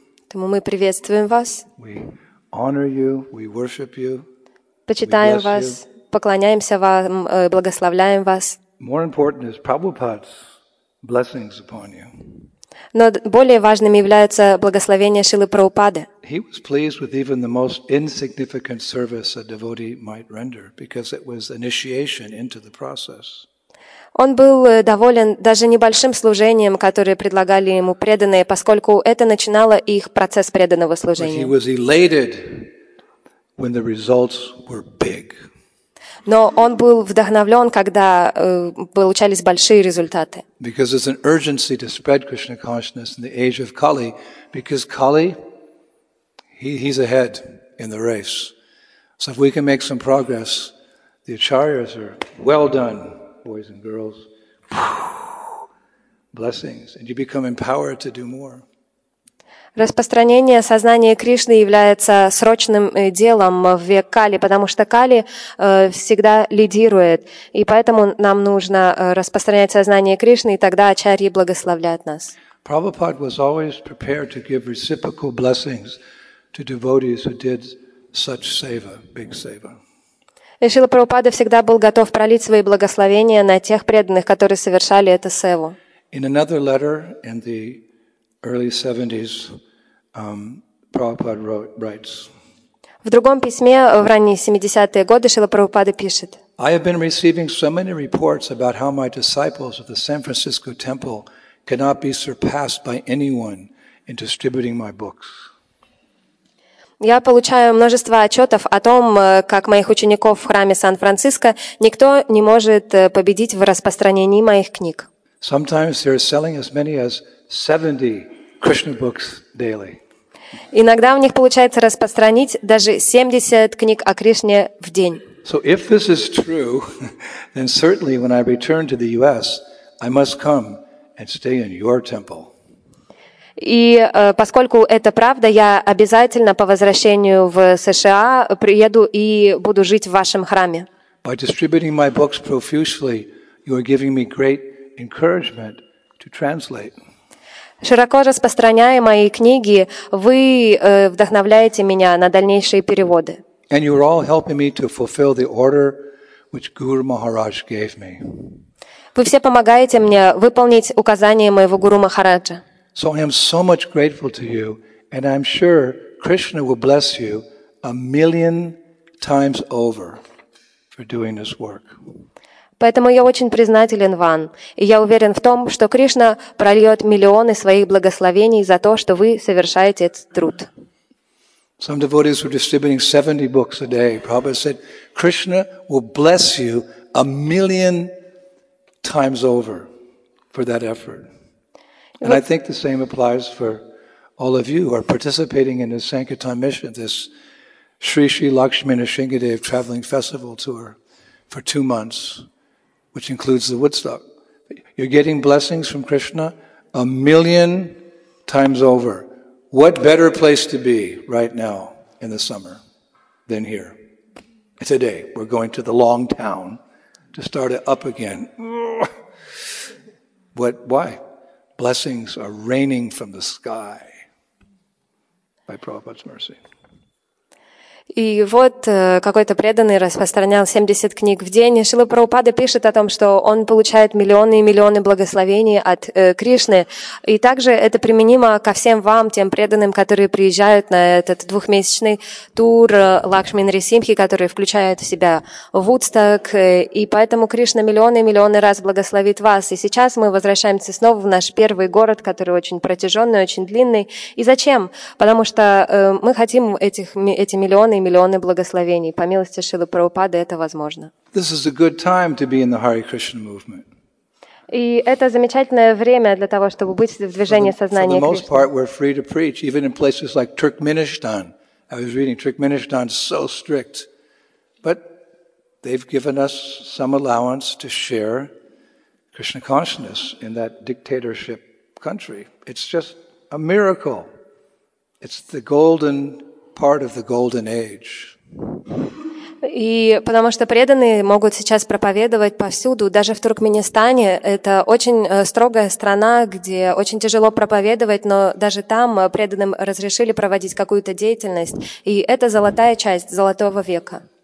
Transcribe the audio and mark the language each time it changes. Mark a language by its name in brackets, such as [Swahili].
[Russian] Поэтому мы приветствуем вас. [English] We honor you, we worship you. [Russian] Почитаем вас, поклоняемся вам, благословляем вас. [English] More important is Prabhupada's blessings upon you. [Russian] Но более важным является благословение Шрилы Прабхупады. [English] He was pleased with even the most insignificant service a devotee might render because it was initiation into the process. [Russian] Он был доволен даже небольшим служением, которое предлагали ему преданные, поскольку это начинало их процесс преданного служения. [English] He was elated when the results were big. [Russian] Но он был вдохновлен, когда получались большие результаты. [English] Because there's an urgency to spread Krishna consciousness in the age of Kali, because Kali, he's ahead in the race. So if we can make some progress, the acharyas are well done, boys and girls. Blessings, and you become empowered to do more. [Russian] Распространение сознания Кришны является срочным делом в век Кали, потому что Кали всегда лидирует, и поэтому нам нужно распространять сознание Кришны, и тогда ачарьи благословляют нас. [English] Prabhupada was always prepared to give reciprocal blessings to devotees who did such seva, big seva. [Russian] И Шрила Прабхупада всегда был готов пролить свои благословения на тех преданных, которые совершали это севу. [English] In another letter in the early 70s, Prabhupada writes. [Russian] В другом письме в ранние 70-е годы Шрила Прабхупада пишет. [English] I have been receiving so many reports about how my disciples of the San Francisco Temple cannot be surpassed by anyone in distributing my books. [Russian] Я получаю множество отчетов о том, как моих учеников в храме Сан-Франциско никто не может победить в распространении моих книг. [English] Sometimes they are selling as many as 70 Krishna books daily. [Russian] Иногда у них получается распространить даже 70 книг о Кришне в день. [English] So if this is true, then certainly when I return to the US, I must come and stay in your temple. [Russian] И поскольку это правда, я обязательно по возвращению в США приеду и буду жить в вашем храме. [English] By distributing my books profusely, you are giving me great encouragement to translate. [Russian] Широко распространяя мои книги, вы вдохновляете меня на дальнейшие переводы. [English] And you're all helping me to fulfill the order which Guru Maharaj gave me. [Russian] Вы все помогаете мне выполнить указания моего Гуру Махараджа. [English] So I am so much grateful to you, and I'm sure Krishna will bless you a million times over for doing this work. [Russian] Поэтому я очень признателен вам, и я уверен в том, что Кришна прольет миллионы своих благословений за то, что вы совершаете этот труд. [English] Some devotees were distributing 70 books a day. Prabhupada said, Krishna will bless you a million times over for that effort. And I think the same applies for all of you who are participating in this Sankirtan mission, this Sri Sri Lakshmi Narsingadev traveling festival tour for 2 months, which includes the Woodstock. You're getting blessings from Krishna a million times over. What better place to be right now in the summer than here? Today, we're going to the long town to start it up again. What? Why? Blessings are raining from the sky by Prabhupada's mercy. [Russian] И вот какой-то преданный распространял 70 книг в день. Шрила Прабхупада пишет о том, что он получает миллионы и миллионы благословений от Кришны. И также это применимо ко всем вам, тем преданным, которые приезжают на этот двухмесячный тур Лакшми Нарисимхи, который включает в себя Вудсток. И поэтому Кришна миллионы и миллионы раз благословит вас. И сейчас мы возвращаемся снова в наш первый город, который очень протяженный, очень длинный. И зачем? Потому что мы хотим эти миллионы и миллионы благословений. По милости Шрилы Прабхупады это возможно. [English] This is a good time to be in the Hare Krishna movement. [Russian] И это замечательное время для того, чтобы быть в движении сознания Кришны. [English] For the most part, we're free to preach, even in places like Turkmenistan. I was reading Turkmenistan is so strict. But they've given us some allowance to share Krishna consciousness in that dictatorship country. It's just a miracle. It's the golden part of the golden age. [Russian] И потому что преданные могут сейчас проповедовать повсюду, даже в Туркменистане. Это очень строгая страна, где очень тяжело проповедовать, но даже там преданным разрешили проводить какую-то деятельность. И это золотая часть золотого века.